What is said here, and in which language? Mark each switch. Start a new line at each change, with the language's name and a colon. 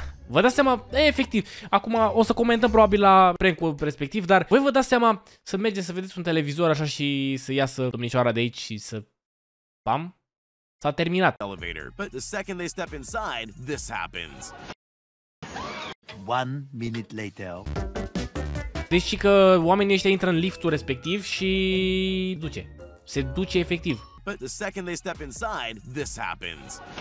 Romanian: Vă dați seama, efectiv, acum o să comentăm probabil la prank-ul respectiv, dar voi vă dați seama să mergeți să vedeți un televizor așa și să iasă domnișoara de aici și să... Bam! S-a terminat.
English: Elevator, but the second they step inside, this happens. One minute later.
Romanian: Deci și că oamenii ăștia intră în liftul respectiv și... duce. Se duce efectiv.
English: But the second they step inside, this happens.